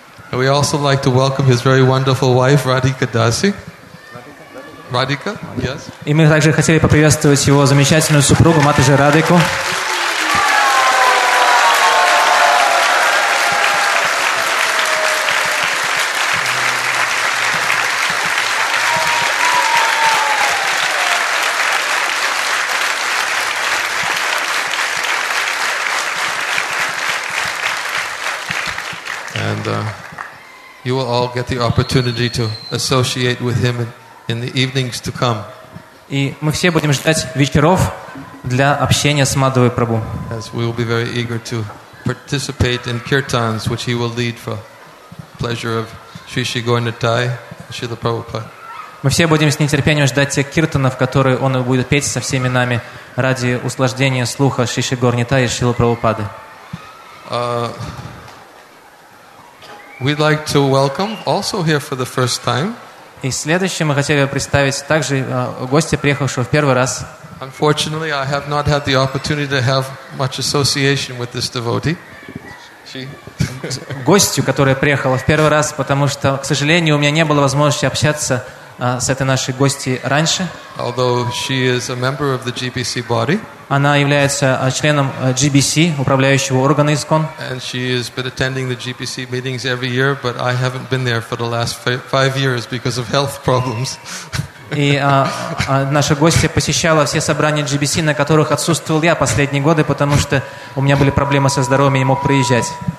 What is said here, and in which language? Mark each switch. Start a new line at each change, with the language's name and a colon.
English: And we also like to welcome his very wonderful wife, Radhika Dasi. Radhika? Yes.
Russian: И мы также хотели поприветствовать его замечательную супругу, матушку Радику.
English: You will all get the opportunity to associate with him in the evenings to come.
Russian: И мы все будем ждать вечеров для общения с Мадхавой Прабху.
English: As we will be very eager to participate in kirtans, which he will lead for pleasure of Shri Shri Gaurinathai, Shrila Prabhupada.
Russian: Мы все будем с нетерпением ждать тех киртанов, которые он будет петь со всеми нами ради услаждения слуха Шри Шри Гауринатхай и Шрилы Прабхупады.
English: We'd like to welcome also here for the first time.
Russian: И следующим мы хотели бы представить также гостя, приехавшего в первый раз.
English: Unfortunately, I have not had the opportunity to have much association with this devotee.
Russian: Гостью, которая приехала в первый раз, потому что, к сожалению, у меня не было возможности общаться с этой нашей гостьей раньше.
English: Although she is a member of the GBC body.
Russian: Она является членом GBC, управляющего органа ИСККОН.
English: And she has been attending the GBC meetings every year, but I haven't been there for the last five years because of health problems.
Russian: И наша гостья посещала все собрания GBC, на которых отсутствовал я последние годы, потому что у меня были проблемы со здоровьем, я не мог приезжать.